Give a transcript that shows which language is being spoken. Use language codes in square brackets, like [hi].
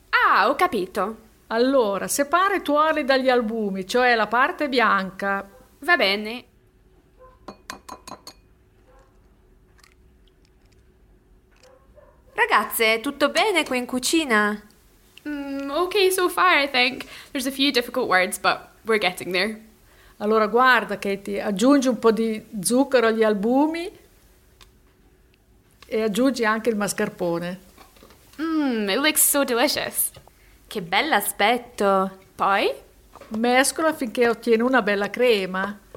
[it] Ah, ho capito. Allora, separa i tuorli dagli albumi, cioè la parte bianca. Va bene. Ragazze, tutto bene qui in cucina? [en] Okay so far, I think. There's a few difficult words, but we're getting there. [it] Allora, guarda, Katie, aggiungi un po' di zucchero agli albumi e aggiungi anche il mascarpone. [en] It looks so delicious. [it] Che bell'aspetto. Poi? Mescola finché ottieni una bella crema.